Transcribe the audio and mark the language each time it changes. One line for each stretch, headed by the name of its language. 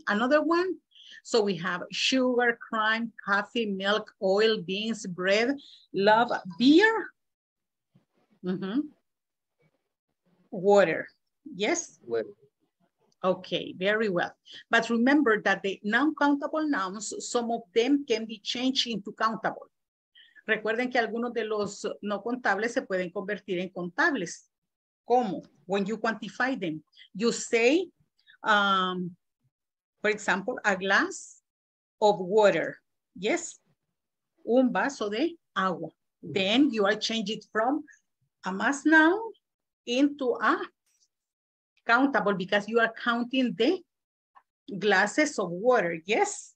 English: Another one? So we have sugar, crime, coffee, milk, oil, beans, bread, love, beer, water. Yes? Well. Okay, very well. But remember that the non-countable nouns, some of them can be changed into countable.
Spanish: Recuerden que algunos de los no contables se pueden convertir en contables. ¿Cómo?
English: When you quantify them. You say, for example, a glass of water. Yes?
Spanish: Un vaso de agua.
English: Then you are changing it from a mass noun into a countable because you are counting the glasses of water. Yes?